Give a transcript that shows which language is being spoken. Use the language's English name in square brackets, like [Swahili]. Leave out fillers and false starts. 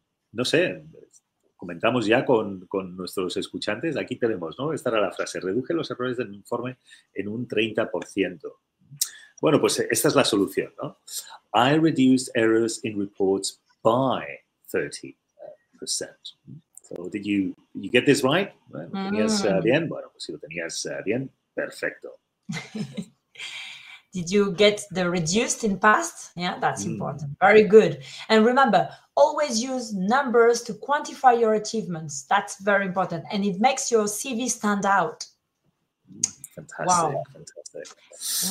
[Spanish] No sé, comentamos ya con nuestros escuchantes. Aquí tenemos, ¿no? Esta era la frase. Reduce los errores del informe en un 30%. Bueno, pues esta es la solución, ¿no? [English] I reduced errors in reports by 30%. So, did you get this right? [Spanish] Bueno, ¿lo tenías bien? Bueno, pues si lo tenías bien, perfecto. [English] Did you get the reduced in past? Yeah, that's important. Very good. And remember, always use numbers to quantify your achievements. That's very important. And it makes your CV stand out. Fantastic. Wow. Fantastic.